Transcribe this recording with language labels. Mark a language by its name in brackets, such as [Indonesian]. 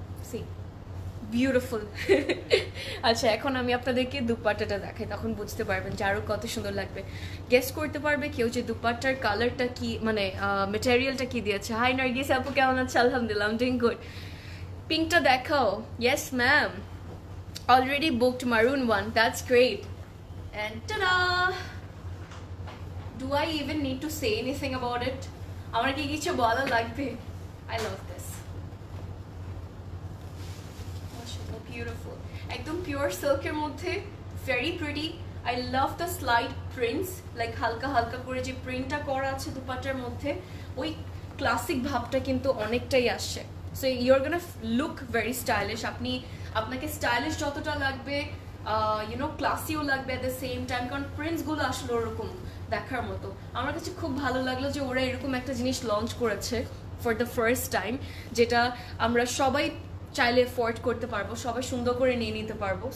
[Bangla] C beautiful আচ্ছা এখন আমি আপনাদেরকে দুপাট্টাটা দেখাই তখন বুঝতে পারবেন যে আরও কত সুন্দর লাগবে গেস করতে পারবে কেউ যে দুপাট্টার কালারটা কি মানে মেটেরিয়ালটা কি দিয়েছে হাই নার্গিস আপু কেমন আছে আলহামদুলিল্লাহ আই এম ডুইং গুড পিঙ্কটা দেখাও ইয়েস ম্যাম অলরেডি বুকড মারুন one that's great and ta-da do I even need to say anything about it আমার কি কিছু বলা লাগবে আই লাভ দিস [English] beautiful. [Bangla] একদম pure silk-এর মধ্যে, very pretty. I love the slight prints, like হালকা হালকা করে যে print-টা করা আছে দুপাটার মধ্যে, ওই classic ভাবটা কিন্তু অনেকটাই আসছে. [English] So you're gonna look very stylish. [Bangla] আপনি আপনাকে stylish যতটা লাগবে, you know, classy-ও লাগবে at the same time, কারণ prints-গুলো আসলে ওরকম দেখার মতো. আমার কাছে খুব ভালো লাগলো যে ওরা এরকম একটা জিনিস লঞ্চ করেছে ফর দ্য ফার্স্ট টাইম, যেটা আমরা সবাই চাইলে এফোর্ড করতে পারবো, সবাই সুন্দর করে নিয়ে নিতে পারবো.